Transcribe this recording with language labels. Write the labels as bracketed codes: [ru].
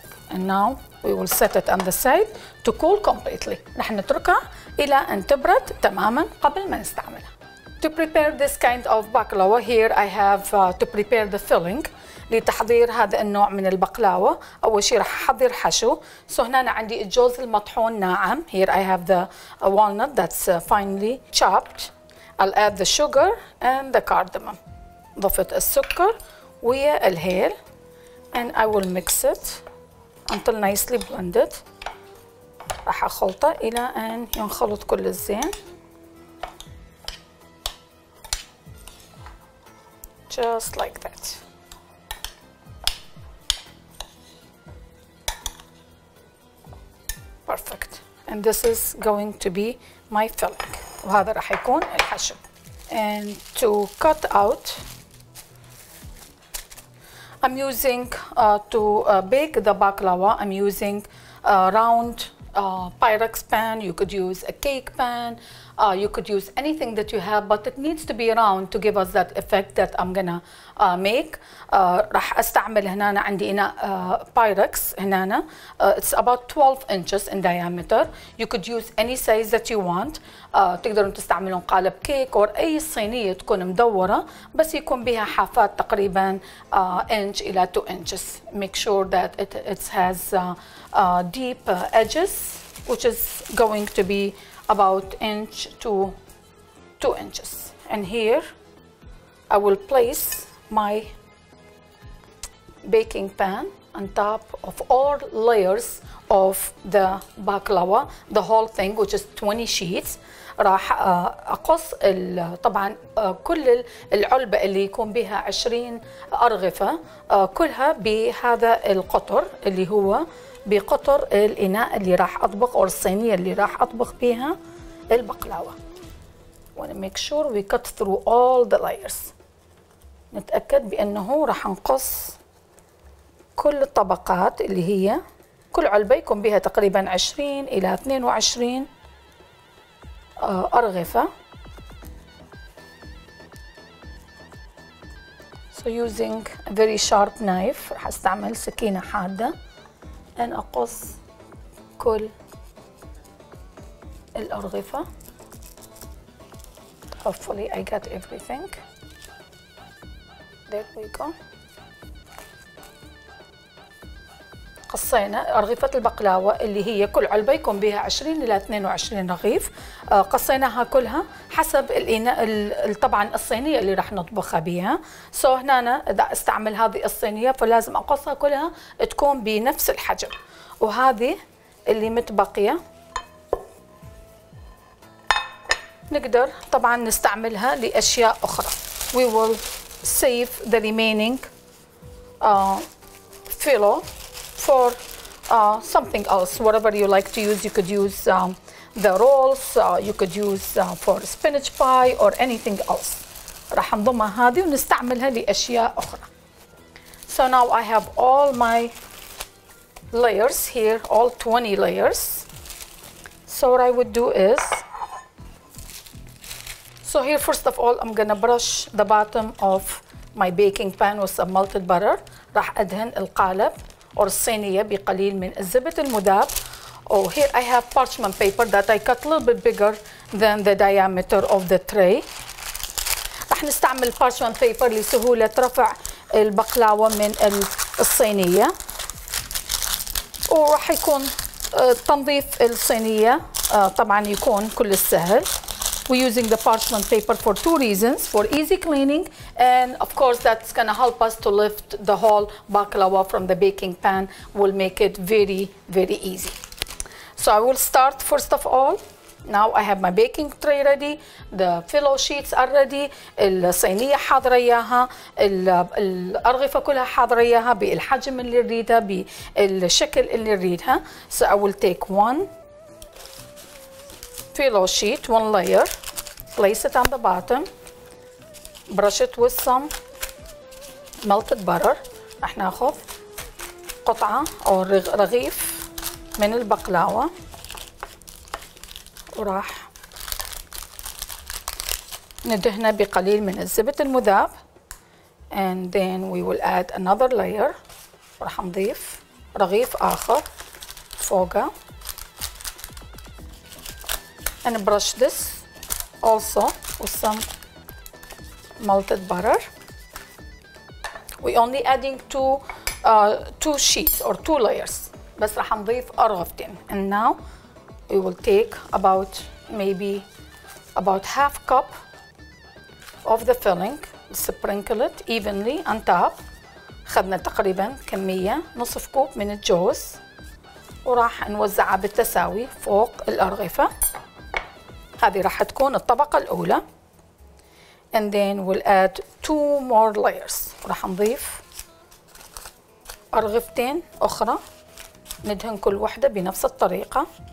[en] And now we will set it on the side to cool completely. [ar] رح نتركها إلى أن تبرد تماما قبل ما نستعملها. [en] To prepare this kind of baklava, here I have to prepare the filling. [ar] لتحضير هذا النوع من البقلاوة أول شيء رح أحضر حشو. So هنا عندي الجوز المطحون ناعم. [en] Here I have the walnut that's finely chopped. I'll add the sugar and the cardamom. [ar] ضفت السكر ويا الهيل. [en] And I will mix it until nicely blended. [ar] راح أخلطه إلى أن ينخلط كل الزين. [en] Just like that. Perfect. And this is going to be my filling. [ar] وهذا راح يكون الحشو. [en] And to cut out, I'm using to bake the baklava. I'm using round Pyrex pan. You could use a cake pan. You could use anything that you have, but it needs to be round to give us that effect that I'm gonna make. [ar] راح استعمل هنا عندي هنا Pyrex هنا. [en] It's about 12 inches in diameter. You could use any size that you want. [ar] تقدرون تستعملون قالب كيك أو أي صينية تكون مدورة بس يكون بها حافات تقريبا inch إلى 2 inches. [en] Make sure that it has deep edges, which is going to be about 1 inch to 2 inches. And here I will place my baking pan on top of all layers of the baklava, the whole thing, which is 20 sheets. [ar] راح أقص طبعا كل العلبة اللي يكون بها 20 أرغفة كلها بهذا القطر اللي هو بقطر الإناء اللي راح أطبخ أو الصينية اللي راح أطبخ بها البقلاوة. [en] Wanna make sure we cut through all the layers. [ar] نتأكد بأنه راح نقص كل الطبقات اللي هي كل علبة يكون بها تقريبا 20 إلى 22 أرغفة. [en] So using a very sharp knife, [ar] راح أستعمل سكينة حادة أن أقص كل الأرغفة. [en] Hopefully I got everything. There we go. [ar] قصينا أرغفة البقلاوة اللي هي كل علبة يكون بها 20 إلى 22 رغيف، قصيناها كلها حسب الإناء طبعا الصينية اللي راح نطبخها بها. سو هنا إذا استعمل هذه الصينية فلازم أقصها كلها تكون بنفس الحجم، وهذه اللي متبقية نقدر طبعا نستعملها لأشياء أخرى. [en] We will save the remaining filo for something else. Whatever you like to use, you could use the rolls, you could use for spinach pie or anything else. [ar] راح نضمها هذه ونستعملها لأشياء أخرى. [en] So now I have all my layers here, all 20 layers. So what I would do is, so here first of all I'm gonna brush the bottom of my baking pan with some melted butter. [ar] راح أدهن القالب أو الصينية بقليل من الزبد المذاب. [en] Oh, here I have parchment paper that I cut a little bit bigger than the diameter of the tray. [ar] راح نستعمل parchment paper لسهولة رفع البقلاوة من الصينية، وراح يكون تنظيف الصينية طبعا يكون كل السهل. [en] We're using the parchment paper for two reasons: for easy cleaning, and of course that's gonna help us to lift the whole baklava from the baking pan. Will make it very, very easy. So I will start first of all. Now I have my baking tray ready. The filo sheets are ready. [ar] الصينية حاضرة ياها. الأرغفة كلها حاضرة ياها بالحجم اللي نريدها بالشكل اللي نريدها. [en] So I will take one filo sheet, one layer, place it on the bottom, brush it with some melted butter. [ar] راح ناخذ قطعة أو رغيف من البقلاوة وراح ندهنه بقليل من الزبد المذاب. [en] And then we will add another layer. [ar] راح نضيف رغيف آخر فوقه. [en] And brush this also with some melted butter. We only adding two sheets or two layers. [ar] بس راح نضيف أرغفتين. [en] And now we will take about maybe about half cup of the filling. Sprinkle it evenly on top. [ar] خدنا تقريبا كمية نصف كوب من الجوز وراح نوزعها بالتساوي فوق الأرغفة. هذه راح تكون الطبقة الأولى. And then we'll add two more layers. راح نضيف أرغفتين أخرى. ندهن كل واحدة بنفس الطريقة.